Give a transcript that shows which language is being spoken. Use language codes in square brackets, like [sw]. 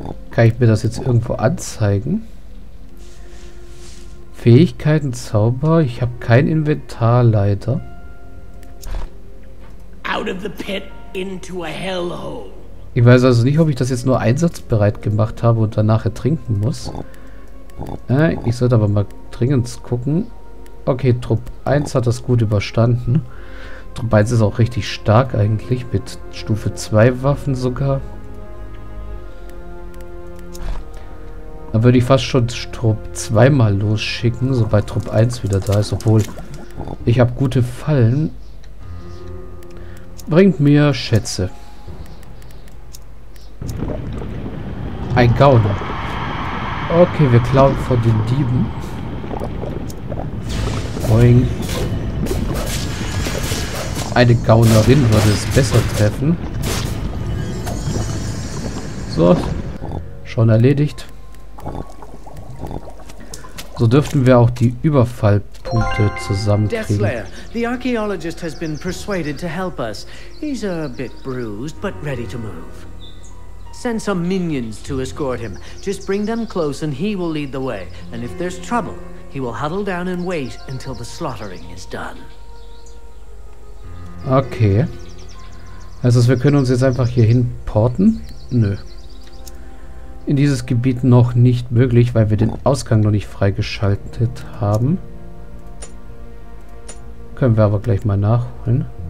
[de] Kann ich mir das jetzt irgendwo anzeigen? Fähigkeiten, Zauber. Ich habe kein Inventar, leider. [en] Out of the pit into a hellhole. [de] Ich weiß also nicht, ob ich das jetzt nur einsatzbereit gemacht habe und danach ertrinken muss. Ich sollte aber mal dringend gucken. Okay, Trupp 1 hat das gut überstanden. Trupp 1 ist auch richtig stark eigentlich, mit Stufe 2 Waffen sogar. Dann würde ich fast schon Trupp 2 mal losschicken, sobald Trupp 1 wieder da ist. Obwohl, ich habe gute Fallen. Bringt mir Schätze. Ein Gauner. Okay, wir klauen von den Dieben. Boing. Eine Gaunerin würde es besser treffen. So. Schon erledigt. So dürften wir auch die Überfallpunkte zusammenkriegen. [en] Deathslayer, the archaeologist has been persuaded to help us. He's a bit bruised, but ready to move. Send some minions to escort him. Just bring them close and he will lead the way. And if there's trouble, he will huddle down and wait until the slaughtering is done. Okay. [de] Also wir können uns jetzt einfach hier hin porten? Nö. In dieses Gebiet noch nicht möglich, weil wir den Ausgang noch nicht freigeschaltet haben. Können wir aber gleich mal nachholen.